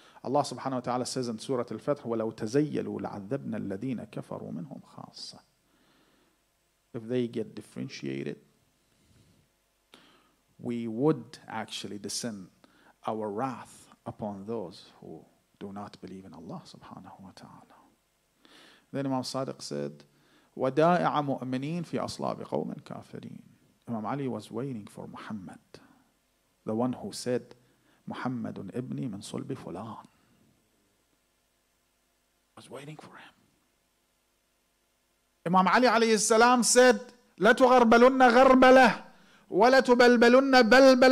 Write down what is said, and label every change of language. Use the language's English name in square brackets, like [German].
[English] Allah subhanahu wa ta'ala says in Surah Al-Fath, [Arabic] وَلَوْ تَزَيَّلُوا لَعَذَّبْنَا الَّذِينَ كَفَرُوا مِنْهُمْ خَاصَّةً. [English] If they get differentiated, we would actually descend our wrath upon those who do not believe in Allah subhanahu wa ta'ala. Then Imam Sadiq said, [Arabic] وَدَائِعَ مُؤْمِنِينَ فِي أَصْلَابِ قَوْمٍ كَافِرِينَ. [English] Imam Ali was waiting for Muhammad, the one who said, [Arabic] Muhammadun ibni min sulbi fulan. [English] Was waiting for him. Imam Ali alayhi salam said, [Arabic] لَتُغَرْبَلُنَّ غَرْبَلَهُ وَلَتُبَلْبَلُنَّ بَلْبَلَ.